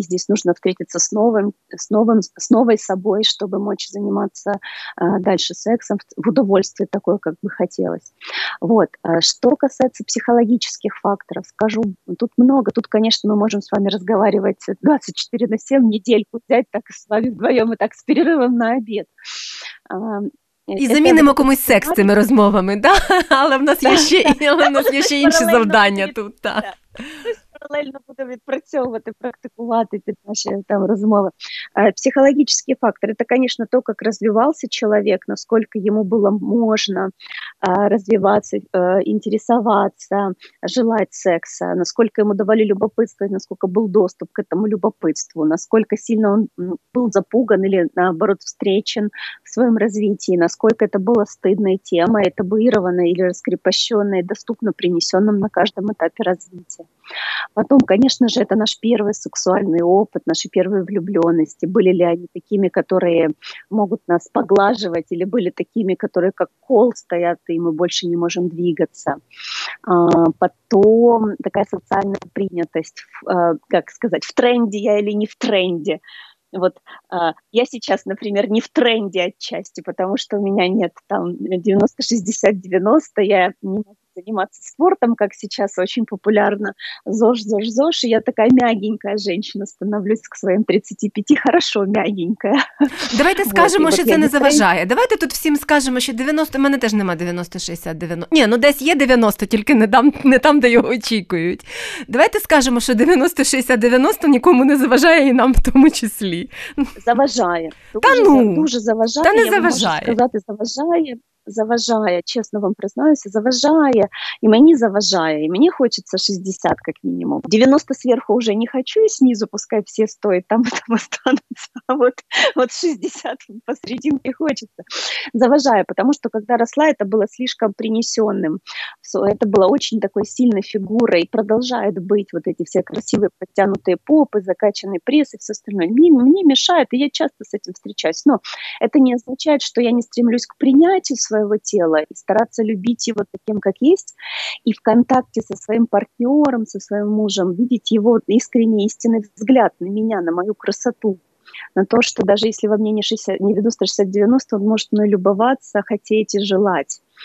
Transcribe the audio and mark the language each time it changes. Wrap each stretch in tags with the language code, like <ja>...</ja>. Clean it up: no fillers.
<ru>Здесь нужно встретиться с новой собой, чтобы мочь заниматься дальше сексом в удовольствие такое, как бы хотелось. Вот. Что касается психологических факторов, скажу, тут много. Тут, конечно, мы можем с вами разговаривать 24/7, недельку взять так с вами вдвоем и так с перерывом на обед.</ru> <uk>І це замінимо комусь секс цими розмовами, да? Але в нас є ще, інші завдання тут. Хтось паралельно буде відпрацьовувати, практикувати під наші там розмови. Психологічні фактори – це, звісно, то, як розвивався чоловік, наскільки йому було можна розвиватися, інтересуватися, желати секса, наскільки йому давали любопитство, наскільки був доступ к этому любопитству, наскільки сильно він був запуган или, наоборот, встречен в своєму розвитті, наскільки це була стыдна тема, табуірована или раскрепощена, доступна принесеним на кожному етапі розвитті.</uk> <ru>Потом, конечно же, это наш первый сексуальный опыт, наши первые влюбленности. Были ли они такими, которые могут нас поглаживать, или были такими, которые как кол стоят, и мы больше не можем двигаться. Потом такая социальная принятость, как сказать, в тренде я или не в тренде. Вот я сейчас, например, не в тренде отчасти, потому что у меня нет там 90-60-90, я не могу заниматься спортом, как сейчас очень популярно, ЗОЖ, и я такая мягенькая женщина становлюсь к своим 35, хорошо мягенькая.</ru> <uk>Давайте скажемо, вот, що це не заважає. Давайте тут всім скажемо, що 90, у мене теж нема 90-60-90. Ні, ну десь є 90, тільки не там, де його очікують. Давайте скажемо, що 90-60-90 нікому не заважає і нам в тому числі. Заважає. Дуже заважає. Та не заважає. Я можу сказати, заважає. Заважає, чесно вам признаюся, заважає, і мені заважає, і мені хочеться 60, як мінімум. 90 зверху вже не хочу, і знизу пускай всі стоять, там остануться, а от 60 посерединці хочеться. Заважає, тому що, коли росла, це було слишком принесеним, це було дуже такою сильною фігурою, і продовжує бути вот ці всі красиві підтягнуті попи, закачаний прес і все остальное.</uk> <ru>Мені мішає, і я часто з цим зустрічаюсь, але це не означає, що я не стремлюсь к прийняттю своего тела и стараться любить его таким, как есть, и в контакте со своим партнером, со своим мужем, видеть его искренний, истинный взгляд на меня, на мою красоту, на то, что даже если во мне не 60, не 90-60-90, он может мной любоваться, хотеть и желать.</ru>